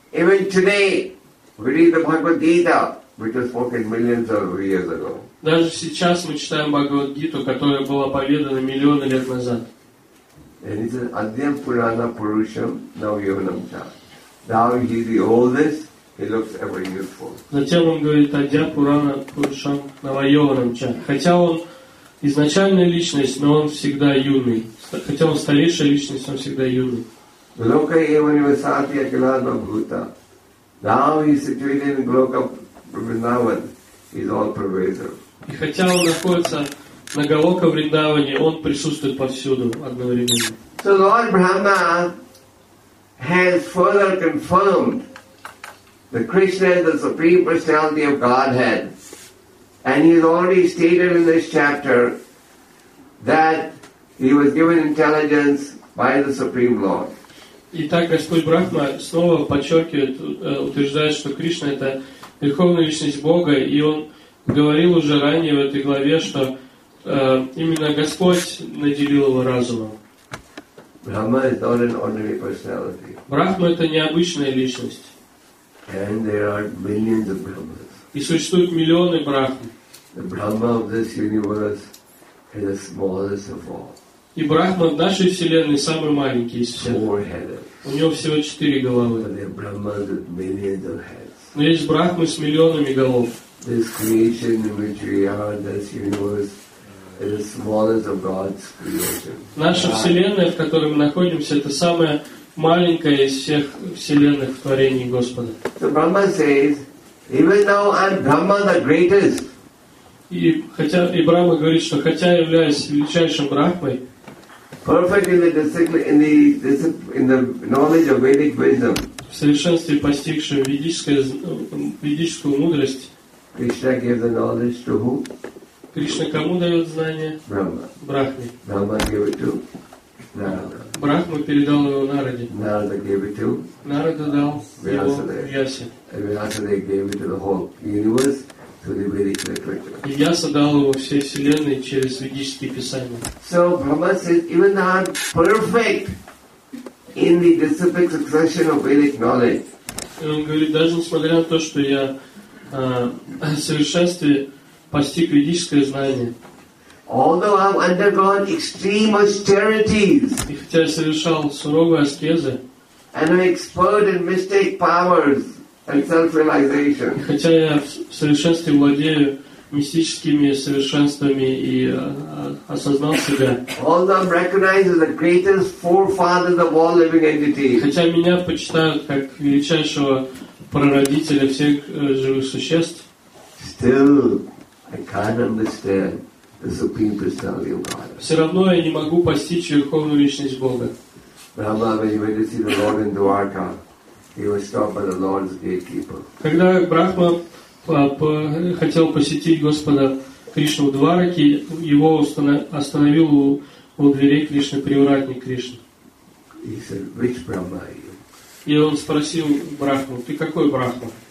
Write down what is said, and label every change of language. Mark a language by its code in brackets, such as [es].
[en] Even today, we read the Bhagavad Gita, which was spoken millions of years ago. [ru] Даже сейчас мы читаем Бхагавад Гиту, которая была поведана миллионы лет назад. [en] And it says, [sa] Adhyam Purana Purusham Navyonam Cha. [en] Now he is the oldest, he looks ever youthful. [ru] Затем он говорит, [sa] Адья Пурана Пурушам Навайоварам Ча. [ru] Хотя он изначальная личность, но он всегда юный. Хотя он старейшая личность, он всегда юный. [sa] Глока Еванива Сати Акилана Бхута. [en] Now he is situated in Глока Вриндаван. He is all pervasive. [ru] И хотя он находится на Глока Вриндаване, он присутствует повсюду одновременно. [en] So Lord Brahma has further confirmed that Krishna is the Supreme Personality of Godhead. And he has already stated in this chapter that he was given intelligence by the Supreme Lord. [ru] И так Господь Брахма снова подчеркивает, утверждает, что Кришна — это Верховная Личность Бога, и Он говорил уже ранее в этой главе, что именно Господь наделил его разумом. [en] Brahma is not an ordinary personality. [ru] Брахма — это необычная личность. [en] And there are billions of Brahmas. [ru] И существуют миллионы Брахм. [en] The Brahma of this universe is the smallest of all. [ru] И Брахма в нашей Вселенной самый маленький из всех. У него всего 4 головы. [en] But there are Brahmas with millions of heads. [ru] Но есть Брахмы с миллионами голов. [en] This creation in which we are, this universe, it is smallest of God's creation. [ru] Наша Вселенная, в которой мы находимся, это самая маленькая из всех Вселенных в творении Господа. [en] So Brahma says, even though I'm Brahma the greatest. [ru] И Брахма говорит, что хотя я являюсь величайшим Брахмой, [en] perfect in the knowledge of Vedic wisdom. [ru] В совершенстве постигшем ведическую мудрость. [en] Krishna gives the knowledge to whom? [ru] Кришна кому дает знания? [en] Брахме. Брахма gave it to Narada. [ru] Брахма передал его Нараде. [en] Narada gave it to [ru] Narada дал Vyasa. [en] Vyasa gave it to the whole universe through the Vedic literature. [ru] Вьяса дал его всей Вселенной через ведические писания. [en] So Brahma says, even though I'm perfect in the disciplic succession of Vedic knowledge. [ru] Он говорит, даже несмотря на то, что я совершенствую постиг ведическое знание. [en] Although I've undergone extreme austerities, [ru] и хотя я совершал суровые аскезы, [en] and I'm expert in mystic powers and self-realization, [ru] и хотя я в совершенстве владею мистическими совершенствами и осознал себя, [en] although I'm recognized as the greatest forefather of all living entities, [ru] хотя меня почитают как величайшего прародителя всех живых существ, [en] still I can't understand the Supreme Personality of God. [ru] Все равно я не могу постичь Верховную Личность Бога. [en] Brahma, when he went to see the Lord in Dwarka, he was stopped by the Lord's gatekeeper. [ru] Когда Брахма хотел посетить Господа Кришну в Двараке, его остановил у дверей Кришны привратник Кришны. [en] He said, "Which Brahma are you?" [ru] И он спросил Брахму, "Ты какой Брахма?"